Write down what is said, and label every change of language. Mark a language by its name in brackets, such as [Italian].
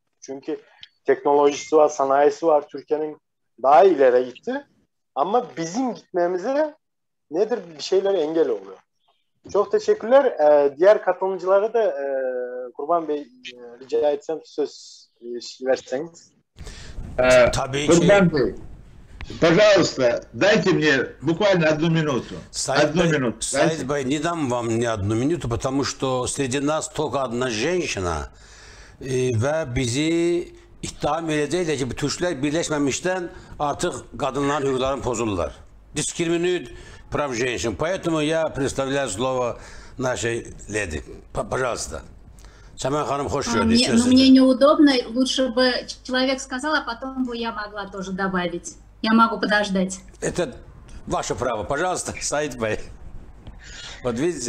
[Turkish] Çünkü teknolojisi var, sanayisi var, Türkiye'nin daha ileri gitti. Ama bizim gitmemize nedir bir şeyler engel oluyor. Çok teşekkürler. Diğer katılımcılara da Kurban Bey rica etsem söz verseniz. Tabii ki. Kurban Bey. [Russian] Пожалуйста, дайте мне буквально одну минуту. Саид Бай, не дам вам ни одну минуту, потому что среди нас только одна женщина. [Turkish] Ve bizi iddiam edecekler ki Türkler birleşmemişten artık kadınların [Azerbaijani] hüquqlarını pozurlar. [Russian] Дискриминируют прав женщин. Поэтому я представляю слово нашей леди. Пожалуйста. Самая ханым хочет сказать. Но мне неудобно. Лучше бы человек сказал, а потом бы я могла тоже добавить. Я могу подождать. Это ваше право. Пожалуйста, Саид Бай. Вот видите.